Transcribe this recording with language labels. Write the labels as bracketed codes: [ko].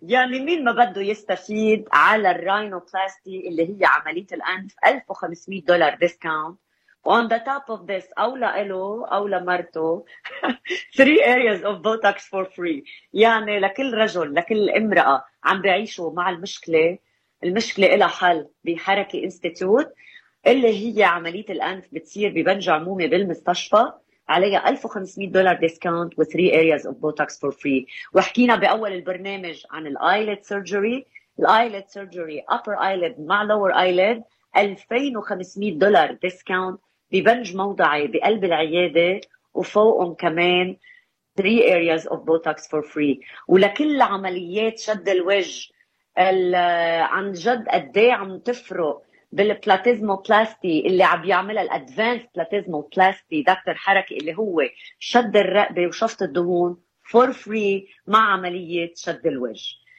[ar] يعني مين ما بده يستفيد على الراينوبلاستي اللي هي عملية الأنف, $1,500 ديسكاونت. [en] On the top of this, [ar] أو لإله أو لمرته, [en] three areas of Botox for free. [ar] يعني لكل رجل, لكل امرأة عم بعيشوا مع المشكلة, المشكلة إلى حل بحركة إنستيتوت, اللي هي عملية الأنف بتصير ببنج عمومي بالمستشفى, [en] عليها $1,500 discount with 3 areas of Botox for free. [ar] وحكينا بأول البرنامج عن الايلت سيرجري. الايلت سيرجري upper eyelid مع lower eyelid $2,500 discount ببنج موضعي بقلب العيادة وفوقهم كمان [en] 3 areas of Botox for free. [ar] ولكل عمليات شد الوجه عن جد قدي عم تفرق بالبلاتيزموبلاستي اللي عم يعملها الادفانس بلاتيزموبلاستي دكتور حركي اللي هو شد الرقبة وشفط الدهون [en] for free [ar] مع عملية شد الوجه.